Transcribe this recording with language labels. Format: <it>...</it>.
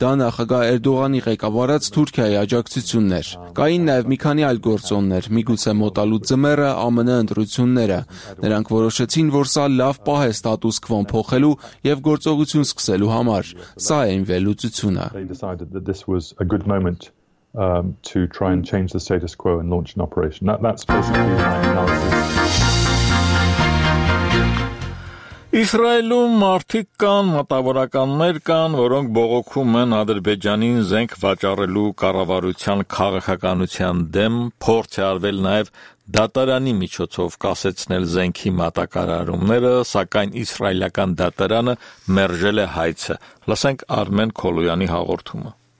<hy>նախագահ Էրդողանի ղեկավարած Թուրքիայի աջակցություններ։ Կային նաև մի քանի այլ գործոններ, միգուցե մոտալուտ ձմեռը, ԱՄՆ ընտրությունները։ Նրանք որոշեցին, որ սա լավ պահ է ստատուս քվոն փոխելու եւ գործողություն սկսելու համար։ Սա է իմ վելույթությունը։</hy> <en>They decided that this was a good moment to try and change the status quo and launch an operation. That's basically my analysis.</en> <hy>Իսրայելում մարդիկ կան, մտավորականներ կան, որոնք բողոքում են Ադրբեջանին զենք վաճառելու կառավարության քաղաքականության դեմ, փորձ է արվել նաև դատարանի միջոցով կասեցնել զենքի մատակարարումները, սակայն իսրայելական դատարանը մերժել է հայցը։ Լսենք Արմեն Քոլոյանի հաղորդումը։</hy>